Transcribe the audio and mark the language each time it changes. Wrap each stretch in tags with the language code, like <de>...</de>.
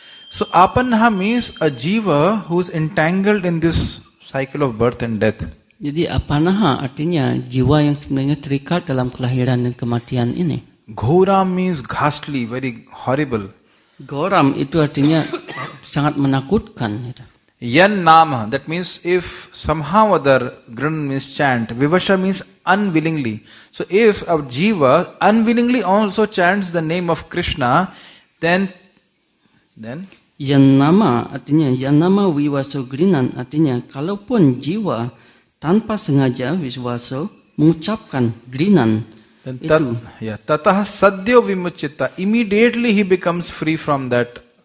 <en>So apannaha means a jiva who is entangled in this cycle of birth and death.</en> <id>Jadi apannaha artinya jiwa yang sebenarnya terikat dalam kelahiran dan kematian ini.</id> <en>Ghora means ghastly, very horrible.</en> <id>Goram itu artinya sangat menakutkan.</id> <en>Yan nama, that means if somehow other, grun means chant, vivasha means unwillingly. So if a jiva unwillingly also chants the name of Krishna, then?</en> <id>Yan nama artinya, yan nama vivaso grinan artinya, kalaupun jiva tanpa sengaja vivaso mengucapkan glinan itu.</id> <sa>Tatah sadyo vimuchita.</sa> <en>Immediately he becomes free from that.</en>